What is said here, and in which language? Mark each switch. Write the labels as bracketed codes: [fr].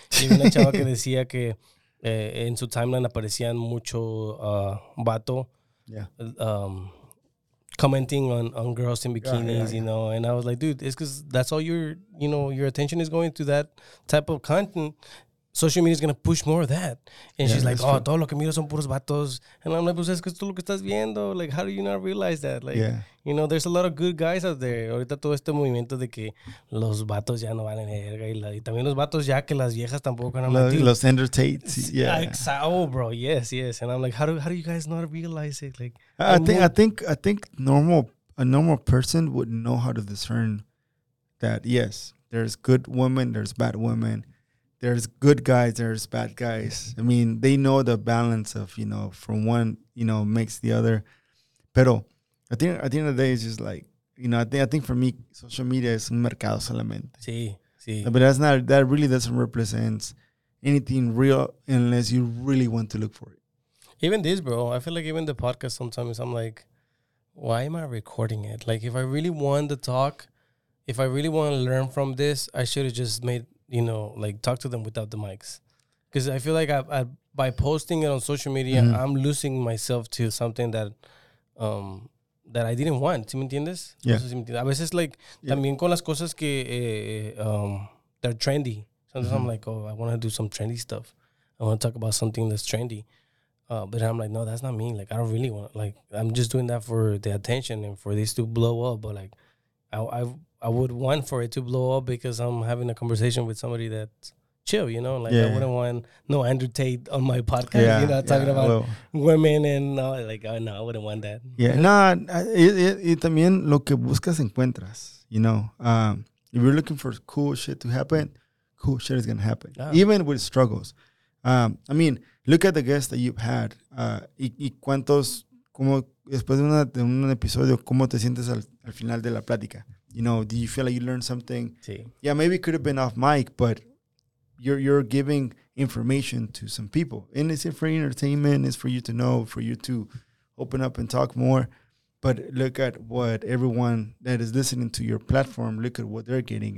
[es] Y una chava que decía que en su timeline aparecían mucho vato. [en] Yeah. Commenting on girls in bikinis, you know, and I was like, dude, it's because that's all your attention is going to that type of content. Social media is going to push more of that. And she's like, oh, todo lo que miro son puros vatos. And I'm like, pues es que tú lo que estás viendo. Like, how do you not realize that? Like, you know, there's a lot of good guys out there. [es] Ahorita todo este movimiento de que los vatos ya no valen verga. Y también los vatos ya que las viejas tampoco. [en] And I'm like, dude, los Andrew Tates. Yeah. [es] Exacto, bro. Yes. [en] And I'm like, how do you guys not realize it? Like, I think a normal person would know how to discern that, yes, there's good women, there's bad women. There's good guys, there's bad guys. I mean, they know the balance of, you know, from one, you know, makes the other. Pero at the end of the day, it's just like, you know, I think for me, social media is un mercado solamente. [es] Sí, sí. [en] But that really doesn't represent anything real unless you really want to look for it. Even this, bro, I feel like even the podcast sometimes, I'm like, why am I recording it? Like, if I really want to talk, if I really want to learn from this, I should have just made, you know, like, talk to them without the mics. Because I feel like by posting it on social media, I'm losing myself to something that I didn't want. [es] ¿Sí me entiendes? [en] Yeah. [es] A veces, like, también con las cosas que they're trendy. [en] Sometimes I'm like, oh, I want to do some trendy stuff. I want to talk about something that's trendy. But I'm like, no, that's not me. Like, I don't really want, like, I'm just doing that for the attention and for this to blow up. But, like, I would want for it to blow up because I'm having a conversation with somebody that's chill, you know? Like, I wouldn't want no Andrew Tate on my podcast, you know, talking about women and all. Like, oh, no, I wouldn't want that. [es] Yeah, no, y también lo que buscas encuentras, you know? [en] If you're looking for cool shit to happen, cool shit is going to happen, even with struggles. I mean, look at the guests that you've had. [es] Y cuántos, como después de un episodio, ¿cómo te sientes al final de la plática? [en] You know, do you feel like you learned something? [es] Sí. [en] Yeah, maybe it could have been off mic, but you're giving information to some people. And it's for entertainment, it's for you to know, for you to open up and talk more. But look at what everyone that is listening to your platform, look at what they're getting.